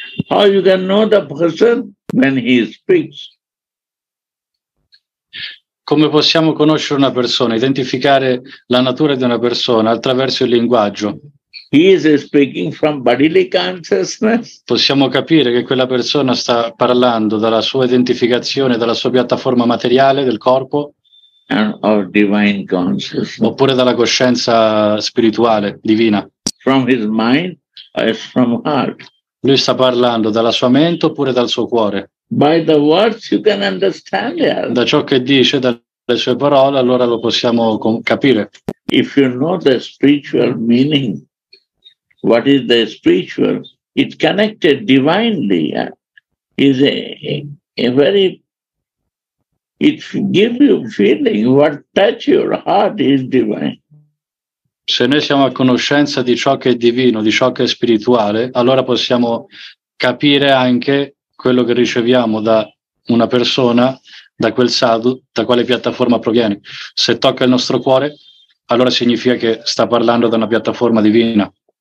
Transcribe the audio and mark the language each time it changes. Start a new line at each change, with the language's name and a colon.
English: How you can know the person when he speaks?
Italian: Come possiamo conoscere una persona, identificare la natura di una persona attraverso il linguaggio?
English: He is speaking from bodily consciousness.
Italian: Possiamo capire che quella persona sta parlando dalla sua identificazione, dalla sua piattaforma materiale del corpo.
English: And of divine consciousness.
Italian: Oppure dalla coscienza spirituale divina.
English: From his mind or from heart.
Italian: Lui sta parlando dalla sua mente oppure dal suo cuore.
English: By the words you can understand.
Italian: Da ciò che dice, dalle sue parole, allora lo possiamo capire.
English: If you know the spiritual meaning, what is the spiritual? It connected divinely. Is a very it gives you feeling what touch your heart is divine.
Italian: Se noi siamo a conoscenza di ciò che è divino, di ciò che è spirituale, allora possiamo capire anche quello che riceviamo da una persona da quel sadhu, da quale piattaforma proviene. Se tocca il nostro cuore, allora significa che sta parlando da una piattaforma divina.